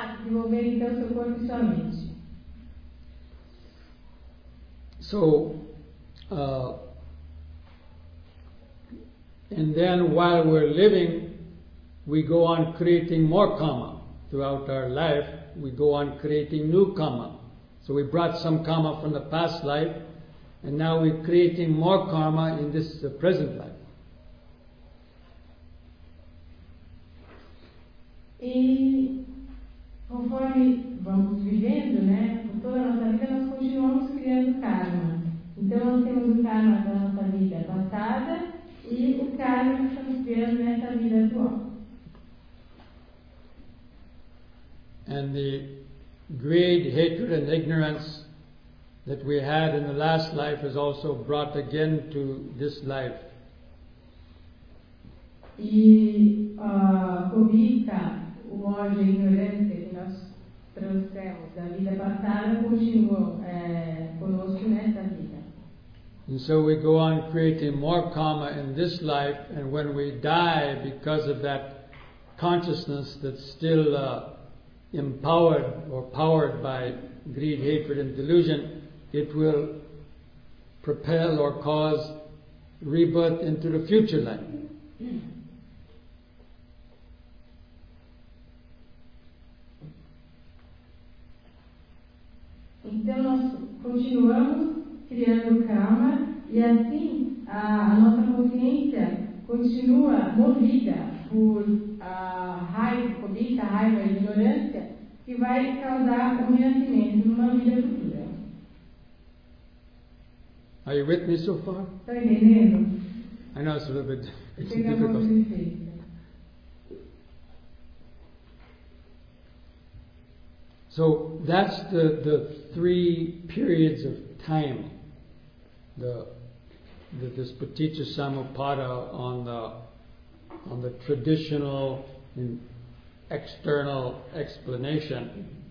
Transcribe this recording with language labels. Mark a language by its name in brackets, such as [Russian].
[Portuguese] Desenvolver então seu corpo e sua mente. [English] So, and then while we're living, we go on creating more karma. Throughout our life, we go on creating new karma. So we brought some karma from the past life, and now we're creating more karma in this present life. [Portuguese] E conforme vamos vivendo, né, toda a nossa vida, nós continuamos criando karma. Então nós temos o karma da nossa vida passada, e o karma que estamos criando nessa vida atual. [English] And the greed, hatred, and ignorance that we had in the last life is also brought again to this life. [Portuguese] E a cobiça, o ódio e a ignorância que nós trouxemos da vida passada continua conosco nessa vida. [English] And so we go on creating more karma in this life, and when we die because of that consciousness that's still empowered or powered by greed, hatred, and delusion, it will propel or cause rebirth into the future life. [Portuguese] Então nós continuamos criando karma, e assim a nossa consciência continua movida por raiva, cobiça, raiva e ignorância, que vai causar um renascimento numa vida futura. [English] Are you with me so far? [Portuguese] Estou entendendo. [English] I know it's a little bit difficult. [Portuguese] Pegamos difícil. [English] So that's the three periods of time. The this Paticca Samuppada on the traditional and external explanation.